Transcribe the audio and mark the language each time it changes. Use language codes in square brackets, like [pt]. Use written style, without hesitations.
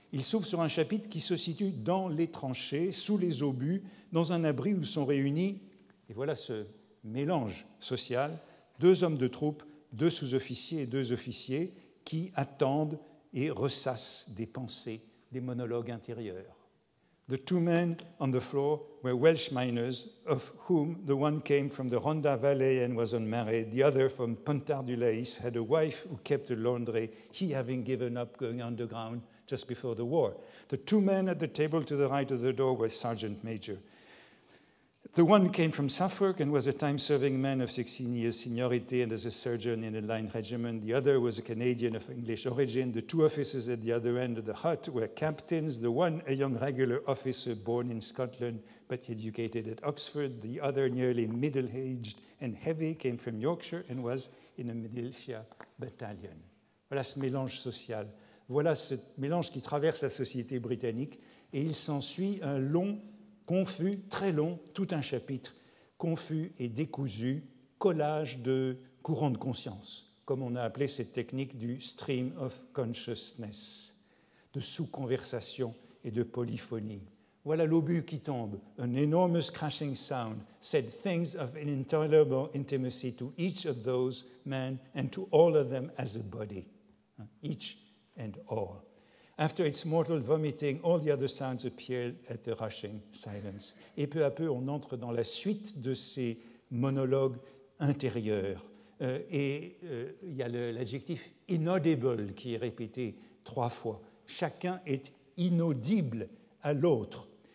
[fr] Il s'ouvre sur un chapitre qui se situe dans les tranchées, sous les obus, dans un abri où sont réunis, et voilà ce mélange social, deux hommes de troupe, deux sous-officiers et deux officiers qui attendent et ressassent des pensées, des monologues intérieurs. [en] The two men on the floor were Welsh miners, of whom the one came from the Rhondda Valley and was unmarried, the other from Pontarddulais had a wife who kept a laundry, he having given up going underground just before the war. The two men at the table to the right of the door were Sergeant Major. The one came from Suffolk and was a time-serving man of 16 years seniority and as a surgeon in a line regiment. The other was a Canadian of English origin. The two officers at the other end of the hut were captains. The one, a young regular officer born in Scotland but educated at Oxford. The other, nearly middle-aged and heavy, came from Yorkshire and was in a militia battalion. [fr] Voilà ce mélange social. Voilà ce mélange qui traverse la société britannique et il s'ensuit un long, confus, très long, tout un chapitre, confus et décousu, collage de courants de conscience, comme on a appelé cette technique du stream of consciousness, de sous-conversation et de polyphonie. Voilà l'obus qui tombe, [en] an enormous crashing sound, said things of an intolerable intimacy to each of those men and to all of them as a body, each and all. After its mortal vomiting, all the other sounds appeared at a rushing silence. [fr] Et peu à peu, on entre dans la suite de ces monologues intérieurs. Et il y a l'adjectif « inaudible » qui est répété trois fois. Chacun est inaudible à l'autre.